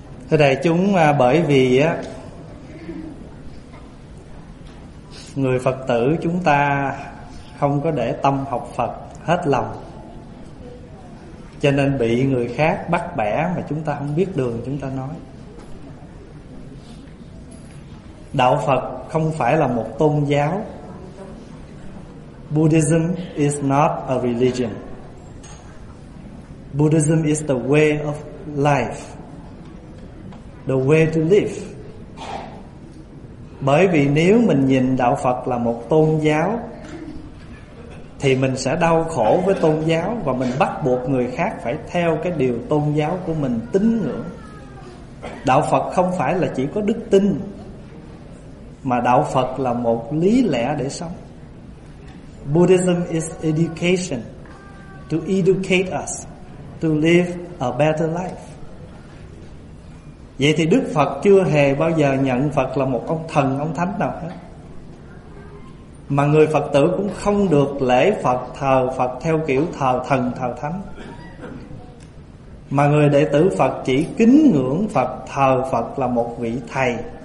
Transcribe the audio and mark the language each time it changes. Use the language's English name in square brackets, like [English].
[Vietnamese] Thưa đại chúng, bởi vì người Phật tử chúng ta không có để tâm học Phật hết lòng, cho nên bị người khác bắt bẻ mà chúng ta không biết đường chúng ta nói. Đạo Phật không phải là một tôn giáo. [English] Buddhism is not a religion. Buddhism is the way of life, the way to live. [Vietnamese] Bởi vì nếu mình nhìn Đạo Phật là một tôn giáo thì mình sẽ đau khổ với tôn giáo và mình bắt buộc người khác phải theo cái điều tôn giáo của mình tín ngưỡng. Đạo Phật không phải là chỉ có đức tin, mà Đạo Phật là một lý lẽ để sống. [English] Buddhism is education, to educate us to live a better life. [Vietnamese] Vậy thì Đức Phật chưa hề bao giờ nhận Phật là một ông thần, ông thánh nào hết. Mà người Phật tử cũng không được lễ Phật, thờ Phật theo kiểu thờ thần, thờ thánh. Mà người đệ tử Phật chỉ kính ngưỡng Phật, thờ Phật là một vị thầy.